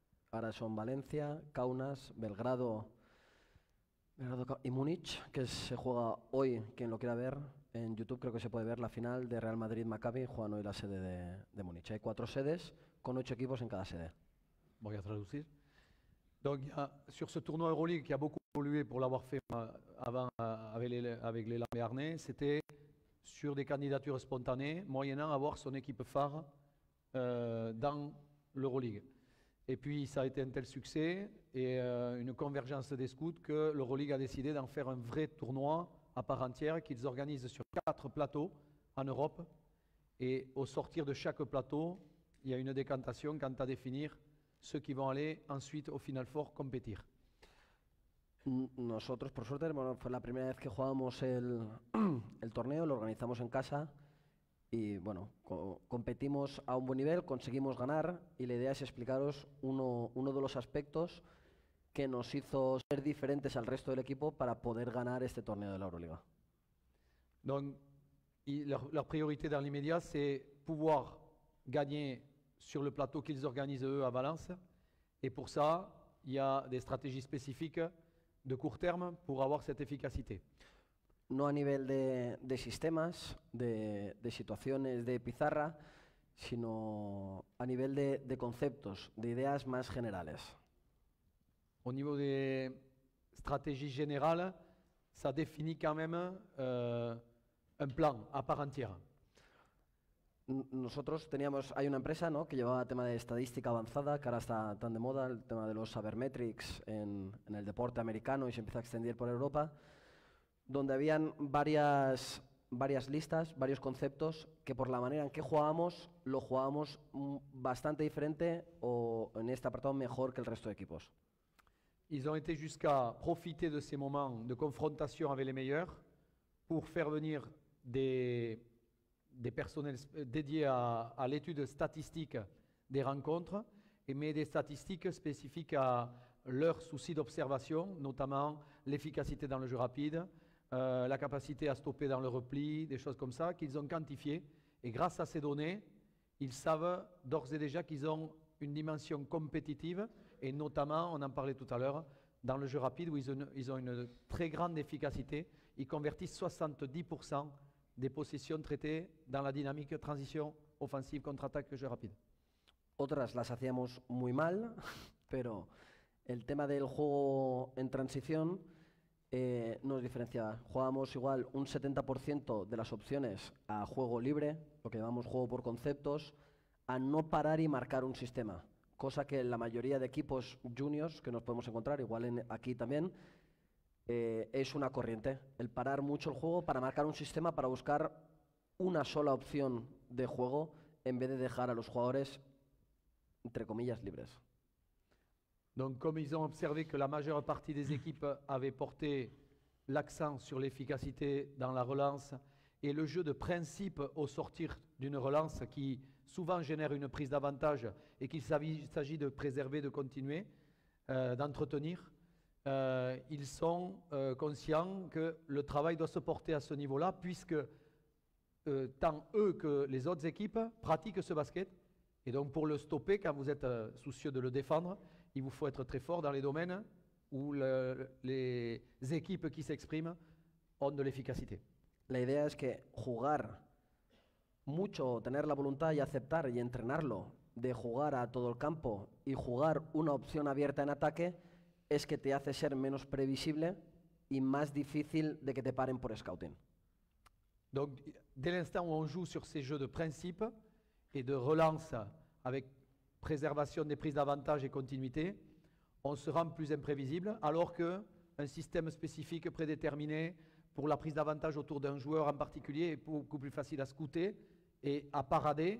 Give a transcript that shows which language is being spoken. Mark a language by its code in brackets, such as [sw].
[es] Ahora son Valencia, Kaunas, Belgrado y Múnich, que se juega hoy, quien lo quiera ver. En YouTube creo que se puede ver la final de Real Madrid-Maccabi, juegan hoy la sede de Múnich. Hay cuatro sedes con ocho equipos en cada sede. Voy a traducir. [fr] Donc, sur ce tournoi Euroleague qui a beaucoup évolué pour l'avoir fait avant avec les Lambernais, c'était sur des candidatures spontanées, moyennant avoir son équipe phare dans l'Euroleague. Et puis, ça a été un tel succès et une convergence des scouts que l'Euroleague a décidé d'en faire un vrai tournoi à part entière qu'ils organisent sur quatre plateaux en Europe. Et au sortir de chaque plateau, il y a une décantation quant à définir ceux qui vont aller ensuite au Final Four compétir. [es] Nosotros, por suerte, bueno, fue la primera vez que jugábamos el torneo, lo organizamos en casa y bueno, competimos a un buen nivel, conseguimos ganar y la idea es explicaros uno de los aspectos que nos hizo ser diferentes al resto del equipo para poder ganar este torneo de la Euroliga. [fr] Donc, leur priorité dans l'immédiat, c'est pouvoir gagner sur le plateau qu'ils organisent eux à Valence. Et pour ça, il y a des stratégies spécifiques de court terme pour avoir cette efficacité. [es] No a nivel de sistemas, de situaciones, de pizarra, sino a nivel de conceptos, de ideas más generales. [fr] Au niveau des stratégies générales, ça définit quand même un plan à part entière. [es] Nosotros teníamos, hay una empresa, ¿no?, que llevaba tema de estadística avanzada, que ahora está tan de moda, el tema de los sabermetrics en el deporte americano y se empieza a extender por Europa, donde habían varias listas, varios conceptos, que por la manera en que jugábamos, lo jugábamos bastante diferente o en este apartado mejor que el resto de equipos. [fr] Ils ont été jusqu'à profiter de ces moments de confrontation avec les meilleurs pour faire venir des personnels dédiés à l'étude statistique des rencontres, et mais des statistiques spécifiques à leurs soucis d'observation, notamment l'efficacité dans le jeu rapide, la capacité à stopper dans le repli, des choses comme ça, qu'ils ont quantifiées. Et grâce à ces données, ils savent d'ores et déjà qu'ils ont une dimension compétitive, et notamment, on en parlait tout à l'heure, dans le jeu rapide, où ils ont une très grande efficacité. Ils convertissent 70% des possessions traitées dans la dynamique transition offensive contre-attaque jeu rapide. [es] Otras las hacíamos muy mal, pero el tema del juego en transición nos diferenciaba. Jugábamos igual un 70% de las opciones a juego libre, lo que llamamos juego por conceptos, a no parar y marcar un sistema, cosa que la mayoría de equipos juniors que nos podemos encontrar, igual aquí también, es una corriente. El parar mucho el juego para marcar un sistema, para buscar una sola opción de juego en vez de dejar a los jugadores entre comillas libres. [fr] Donc, comme ils ont observé que la majeure partie des équipes avaient porté l'accent sur l'efficacité dans la relance et le jeu de principe au sortir d'une relance qui souvent génère une prise d'avantage et qu'il s'agit de préserver, de continuer, d'entretenir, ils sont conscients que le travail doit se porter à ce niveau-là puisque tant eux que les autres équipes pratiquent ce basket. Et donc pour le stopper, quand vous êtes soucieux de le défendre, il vous faut être très fort dans les domaines où les équipes qui s'expriment ont de l'efficacité. [es] La idea es que jugar mucho, tener la voluntad y aceptar y entrenarlo de jugar a todo el campo y jugar una opción abierta en ataque es que te hace ser menos previsible y más difícil de que te paren por scouting. [fr] Donc, dès l'instant où on joue sur ces jeux de principe, et de relance avec préservation des prises d'avantage et continuité, on se rend plus imprévisible, alors que un système spécifique prédéterminé pour la prise d'avantage autour d'un joueur en particulier est beaucoup plus facile à scouter et à parader.